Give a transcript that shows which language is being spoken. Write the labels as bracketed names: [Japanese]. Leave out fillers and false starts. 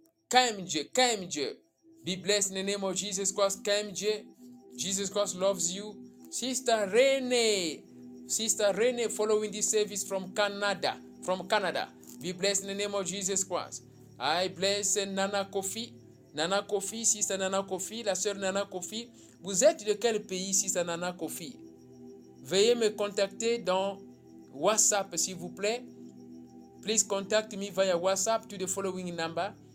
[English] Kamje, be blessed in the name of Jesus Christ, Kamje, Jesus Christ loves you. Sister Rene, following this service from Canada, be blessed in the name of Jesus Christ. I bless [French] Nana Kofi, Sister Nana Kofi, la sœur Nana Kofi. Vous êtes de quel pays, Sister Nana Kofi? Veuillez me contacter dans WhatsApp, s'il vous plaît. [English] Please contact me via WhatsApp to the following number.